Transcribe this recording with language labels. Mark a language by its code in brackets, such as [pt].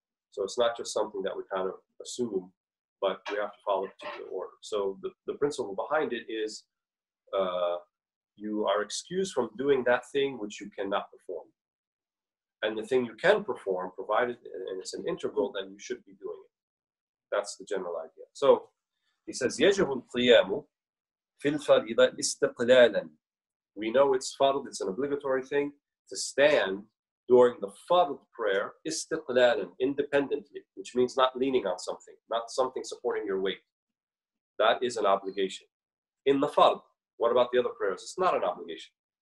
[en] So it's not just something that we kind of assume, but we have to follow a particular order. So the principle behind it is you are excused from doing that thing which you cannot perform. And the thing you can perform, provided and it's an integral, then you should be doing it. That's the general idea. So he says, [ar] يجب القيام في الفريضة استقلالا. [en] We know it's fard, it's an obligatory thing to stand during the fard prayer استقلالا, independently, which means not leaning on something, not something supporting your weight. That is an obligation. In the fard, what about the other prayers? It's not an obligation.